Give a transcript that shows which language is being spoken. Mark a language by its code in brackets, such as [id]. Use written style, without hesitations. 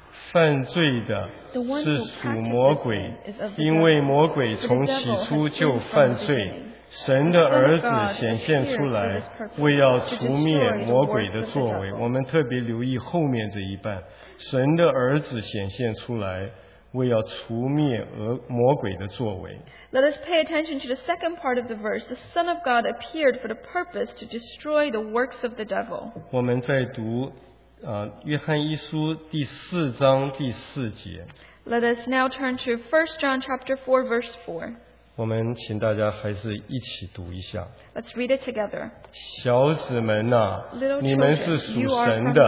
[zh] 犯罪的是属魔鬼，因为魔鬼从起初就犯罪。神的儿子显现出来，为要除灭魔鬼的作为。我们特别留意后面这一半，神的儿子显现出来，为要除灭魔鬼的作为。 [en] Let us pay attention to the second part of the verse. The Son of God appeared for the purpose to destroy the works of the devil. [zh] 我们在读约翰一书第四章第四节。 [en] Let us now turn to 1 John chapter 4 verse 4. [zh] 我们请大家还是一起读一下。 [en] Let's read it together. [zh] 小子们呐、你们是属神的